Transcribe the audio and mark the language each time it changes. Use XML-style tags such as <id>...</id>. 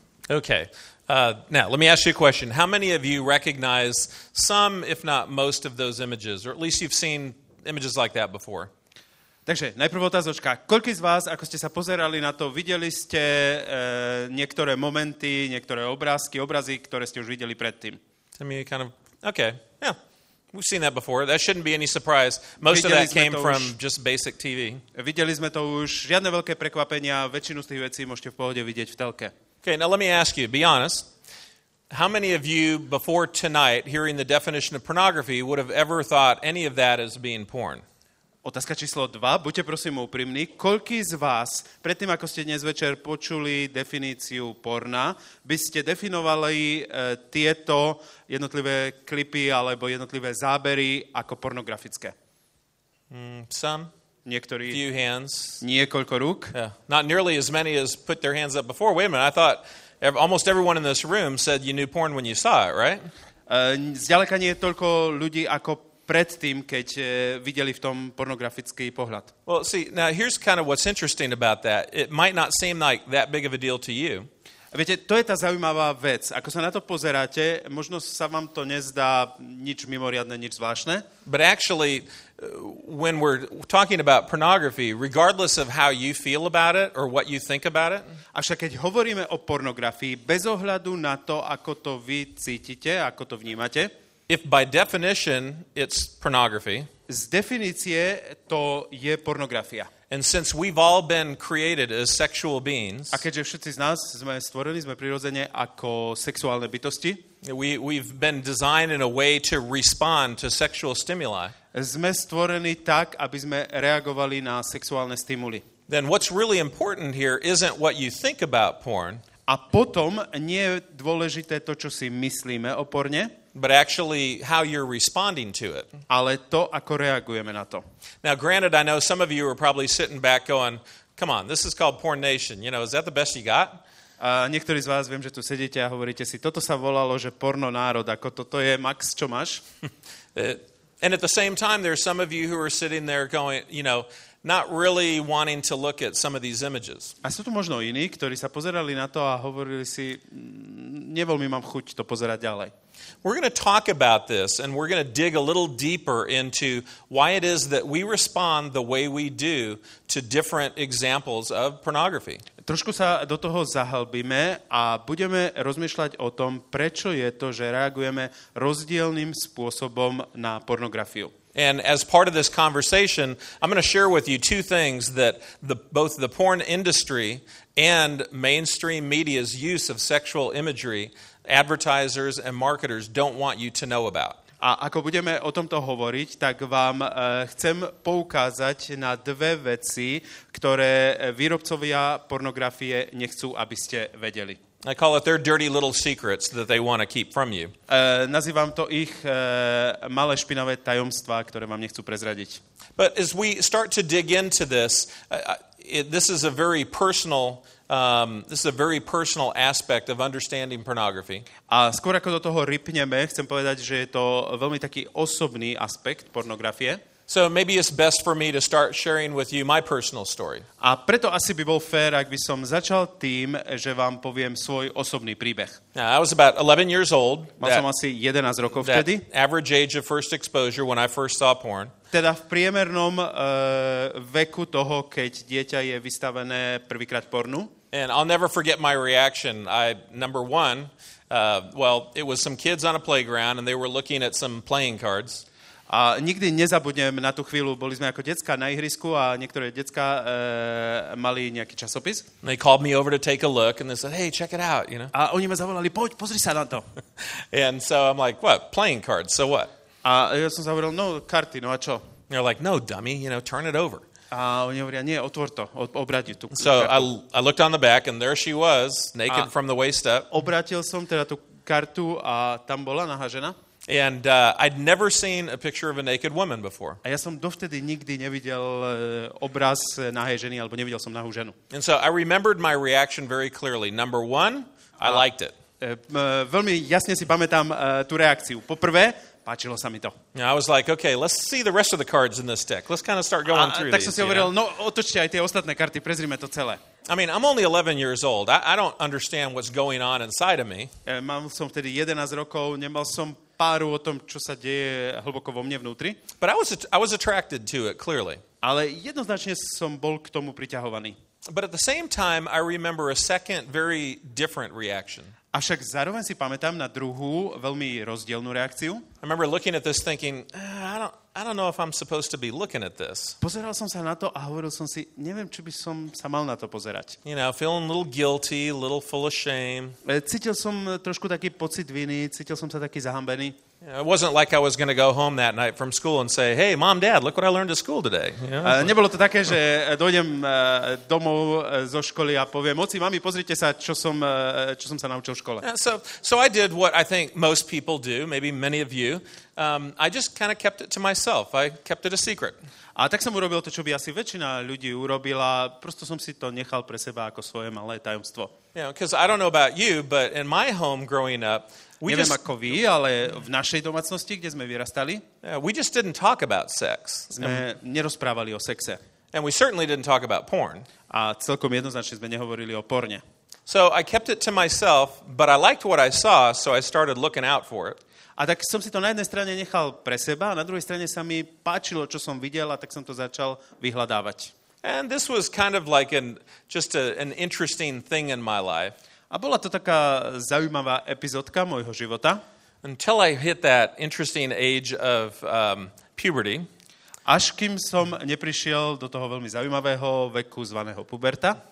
<en>Okay. Now, let me ask you a question. How many of you recognize some, if not most, of those images? Or at least you've seen images like that before?</en> <sk>Takže, najprv otázočka. Koľko z vás, ako ste sa pozerali na to, videli ste niektoré momenty, niektoré obrázky, obrazy, ktoré ste už videli predtým?</sk> <en>To me kind of... Okay, yeah. We've seen that before. That shouldn't be any surprise. Most of that came from just basic TV.</en> <sk>Videli sme to už. Žiadne veľké prekvapenia. Väčšinu z tých vecí môžete v pohode vidieť v telke.</sk> <en>Okay, now let me ask you, be honest. How many of you before tonight hearing the definition of pornography would have ever thought any of that as being porn?</en> <sk>Otázka číslo 2, buďte prosím úprimní, koľký z vás predtým ako ste dnes večer počuli definíciu porna, by ste definovali tieto jednotlivé klipy alebo jednotlivé zábery ako pornografické?</sk> <en>Some?</en> <sk>Niektorí,</sk> <en>few hands.</en> <sk>Niekoľko rúk.</sk> <en>Yeah. Not nearly as many as put their hands up before. Wait a minute, I thought almost everyone in this room said you knew porn when you saw it, right?</en> <sk>Zďaleka nie je toľko ľudí ako predtým, keď videli v tom pornografický pohľad.</sk> <en>Well, see, now here's kind of what's interesting about that. It might not seem like that big of a deal to you.</en> <sk>Viete, to je tá zaujímavá vec. Ako sa na to pozeráte, možno sa vám to nezdá nič mimoriadne, nič zvláštne.</sk> <en>But actually, when we're talking about pornography, regardless of how you feel about it or what you think about it.</en> <sk>Avšak keď hovoríme o pornografii, bez ohľadu na to, ako to vy cítite, ako to vnímate.</sk> <en>If by definition it's pornography.</en> <sk>Z definície to je pornografia.</sk> <en>And since we've all been created as sexual beings,</en> <sk>a keďže všetci z nás sme stvorení, sme prirodzene ako sexuálne bytosti,</sk> <en>we've been designed in a way to respond to sexual stimuli.</en> <sk>Sme stvorení tak, aby sme reagovali na sexuálne stimuli.</sk> <en>Then what's really important here isn't what you think about porn.</en> <sk>A potom nie je dôležité to, čo si myslíme o porne,</sk> <en>but actually how you're responding to it.</en> <sk>Ale to, ako reagujeme na to.</sk> <en>Now granted, I know some of you are probably sitting back going, come on, this is called Porn Nation, you know, is that the best you got?</en> <sk>Niektorí z vás, viem, že tu sedíte a hovoríte si, toto sa volalo, že porno národ, ako toto je max, čo máš?</sk> <en>And at the same time, there are some of you who are sitting there going, you know, not really wanting to look at some of these images.</en> <sk>A sú tu možno iní, ktorí sa pozerali na to a hovorili si, neveľmi mám chuť to pozerať ďalej.</sk> <en>We're going to talk about this and we're going to dig a little deeper into why it is that we respond the way we do to different examples of pornography.</en> <sk>Trošku sa do toho zahlbíme a budeme rozmýšľať o tom, prečo je to, že reagujeme rozdielnym spôsobom na pornografiu.</sk> <en>And as part of this conversation, I'm going to share with you two things that both the porn industry and mainstream media's use of sexual imagery advertisers and marketers don't want you to know about.</en> <sk>A ako budeme o tomto hovoriť, tak vám chcem poukázať na dve veci, ktoré výrobcovia pornografie nechcú, aby ste vedeli.</sk> <en>I call it their dirty little secrets that they want to keep from you.</en> <sk>Nazývam to ich malé špinavé tajomstvá, ktoré vám nechcú prezradiť.</sk> <en>But as we start to dig into this, this is a very personal aspect of understanding pornography.</en> <sk>A skôr ako do toho rypneme, chcem povedať, že je to veľmi taký osobný aspekt pornografie.</sk> <en>So maybe it's best for me to start sharing with you my personal story.</en> <sk>A preto asi by bol fér, ak by som začal tým, že vám poviem svoj osobný príbeh.</sk> <en>Now, I was about 11 years old.</en> <sk>Mal som asi 11 rokov vtedy.</sk> <en>Average age of first exposure when I first saw porn.</en> <sk>Teda v priemernom veku toho, keď dieťa je vystavené prvýkrát pornu.</sk> <en>And I'll never forget my reaction. Number one, it was some kids on a playground and they were looking at some playing cards.</en> <sk>A nikdy nezabudnem na tú chvíľu, boli sme ako decka na ihrisku a niektoré decka mali nejaký časopis.</sk> <en>And they called me over to take a look and they said, hey, check it out, you know.</en> <sk>A oni ma zavolali, poď, pozri sa na to.</sk> <en>And so I'm like, what, playing cards, so what?</en> <sk>A ja som zavolal, no, karty, no a čo?</sk> <en>And they're like, no, dummy, you know, turn it over.</en> <sk>A oni hovoria, nie, otvor to, obrať ju tú kartu.</sk> <en>So I looked on the back and there she was, naked from the waist up.</en> <sk>Obrátil som teda tú kartu a tam bola nahá žena.</sk> <en>And I'd never seen a picture of a naked woman before.</en> <sk>A ja som dovtedy nikdy nevidel obraz nahej ženy, alebo nevidel som nahú ženu.</sk> <en>And so I remembered my reaction very clearly. Number one, I liked it.</en> <sk>Veľmi jasne si pamätám tú reakciu. Poprvé, páčilo sa mi to.</sk> <en>Yeah, I was like, okay, let's see the rest of the cards in this deck. Let's kind of start going through these.</en> <sk>Tak som si hovoril, no otočte aj tie ostatné karty, prezrime to celé.</sk> <en>I mean, I'm only 11 years old. I don't understand what's going on inside of me.</en> <sk>Mal som vtedy 11 rokov, nemal som páru o tom, čo sa deje hlboko vo mne vnútri.</sk> <en>But I was attracted to it, clearly.</en> <sk>Ale jednoznačne som bol k tomu priťahovaný.</sk> <en>But at the same time, I remember a second, very different reaction.</en> <sk>Avšak zároveň si pamätám na druhú, veľmi rozdielnú reakciu.</sk> <en>I remember looking at this thinking, I don't know if I'm supposed to be looking at this.</en> <sk>Pozeral som sa na to a hovoril som si, neviem, či by som sa mal na to pozerať.</sk> <en>You know, feeling a little guilty, a little full of shame.</en> <sk>Cítil som trošku taký pocit viny, cítil som sa taký zahambený.</sk> <en>It wasn't like I was going to go home that night from school and say, hey, mom, dad, look what I learned at school today.</en> <sk>Nebolo to také, že dojdem domov zo školy a poviem, oci, mami, pozrite sa, čo som sa naučil v škole.</sk> <en>So I did what I think most people do, maybe many of you. I just kind of kept it to myself. I kept it a secret.</en> <sk>A tak som urobil to, čo by asi väčšina ľudí urobila. Prosto som si to nechal pre seba ako svoje malé tajomstvo.</sk> <en>Yeah, because I don't know about you, but in my home growing up,</en> <sk>neviem ako vy, ale v našej domácnosti, kde sme vyrastali,</sk> <en>we just didn't talk about sex.</en> <sk>Sme nerozprávali o sexe.</sk> <en>And we certainly didn't talk about porn.</en> <sk>A celkom jednoznačne sme nehovorili o porne.</sk> <en>So I kept it to myself, but I liked what I saw, so I started looking out for it.</en> <sk>A tak som si to na jednej strane nechal pre seba, a na druhej strane sa mi páčilo, čo som videl, a tak som to začal vyhľadávať.</sk> <en>And this was kind of like an interesting thing in my life.</en> <sk>A bola to taká zaujímavá epizódka môjho života.</sk> <en>Until I hit that interesting age of puberty.</en> <sk>Až kým som neprišiel do toho veľmi zaujímavého veku zvaného puberta.</sk>